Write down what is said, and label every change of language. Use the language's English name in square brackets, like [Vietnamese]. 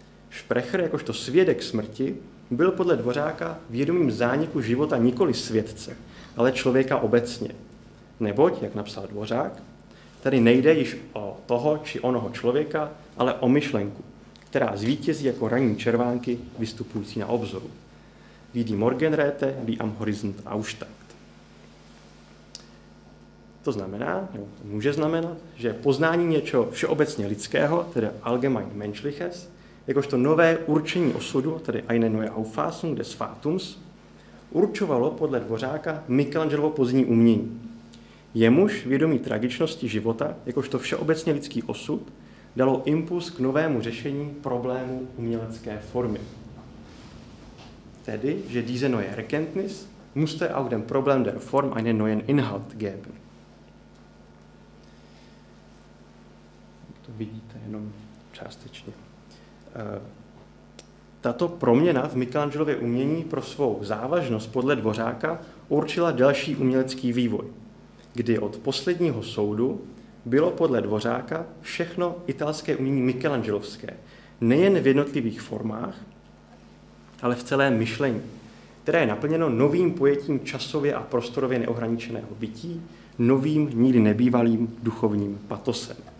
[Czech] Sprecher jakožto svědek smrti byl podle Dvořáka vědomým zániku života nikoli světce, ale člověka obecně. Neboť, jak napsal Dvořák, tady nejde již o toho či onoho člověka, ale o myšlenku, která zvítězí jako ranní červánky vystupující na obzoru. [German] Wie die Morgenröte, wie am Horizont aufsteigt. [Czech] To znamená, nebo to může znamenat, že poznání něčeho všeobecně lidského, tedy [German] allgemein menschliches, [Czech] jakožto nové určení osudu, tedy [German] eine neue Auffassung des Fatums, [Czech] určovalo podle Dvořáka Michelangelovo pozdní umění. Jemuž vědomí tragičnosti života, jakožto všeobecně lidský osud, dalo impuls k novému řešení problému umělecké formy. Tedy, že [German] diese neue Erkenntnis musste auch dem Problem der Form einen neuen Inhalt geben. [Czech] To vidíte jenom částečně. Tato proměna v Michelangelově umění pro svou závažnost podle Dvořáka určila další umělecký vývoj, kdy od posledního soudu bylo podle Dvořáka všechno italské umění michelangelovské, nejen v jednotlivých formách, ale v celém myšlení, které je naplněno novým pojetím časově a prostorově neohraničeného bytí, novým, nikdy nebývalým duchovním patosem.